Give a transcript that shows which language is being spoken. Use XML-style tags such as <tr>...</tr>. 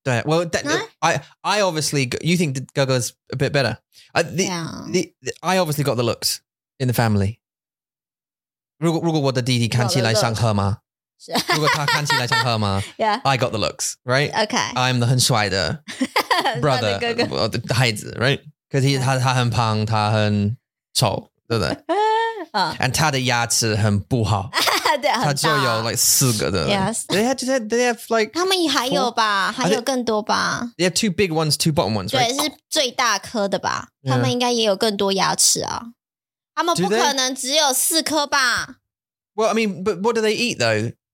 <en>对 ，Well, I obviously you think Gogo's a bit better. I obviously got the looks in the family.</en> <zh>如果我的弟弟看起来像河马，如果他看起来像河马</zh> <en>，Yeah, I got the looks, right? Okay, I'm the</en> <zh>很帅的</zh> <en>brother</en> <zh>的哥哥孩子 ，</zh> <en>right? Because he, yeah.</en> <zh>他很胖，他很丑，对不对？ And 他的牙齿很不好，对，他就有 like 四个的。</zh> <en>Yes, they have like</en> <zh>他们还有吧， four? 还有更多吧。</zh> <en>They have two big ones, two bottom ones.</en> <zh>对，</zh> <en>right?</en> <zh>是最大颗的吧？ Yeah. 他们应该也有更多牙齿啊。他们不可能只有四颗吧?</zh> <en>Well, I mean, but what do they eat though?</en>